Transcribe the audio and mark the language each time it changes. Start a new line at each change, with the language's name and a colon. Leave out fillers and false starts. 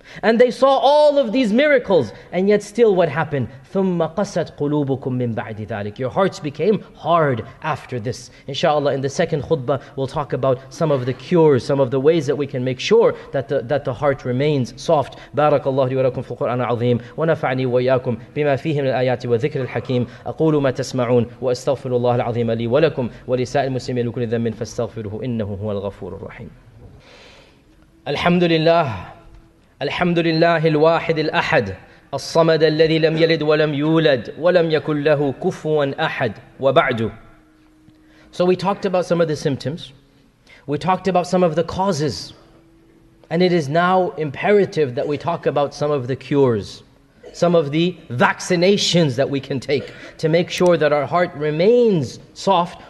English: And they saw all of these miracles, and yet still what happened?
Arabic: ثُمَّ قَسَتْ قُلُوبُكُمْ مِنْ بَعْدِ ذَلِكَ.
English: Your hearts became hard after this. InshaAllah, in the second khutbah, we'll talk about some of the cures, some of the ways that we can make sure that the heart remains soft.
Arabic: بارك الله لي ولكم في القرآن العظيم ونفعني وإياكم بما فيه من الآيات وذكر الحكيم أقول ما تسمعون وأستغفر الله العظيم لي ولكم ولسائر المسلمين لكل ذنب فاستغفره إنه هو الغفور الرحيم. الحمد لله. الحمد لله الواحد الأحد الصمد الذي لم يلد ولم يولد ولم يكن له كفوا أحد وبعد.
English: So we talked about some of the symptoms. We talked about some of the causes. And it is now imperative that we talk about some of the cures, some of the vaccinations that we can take to make sure that our heart remains soft.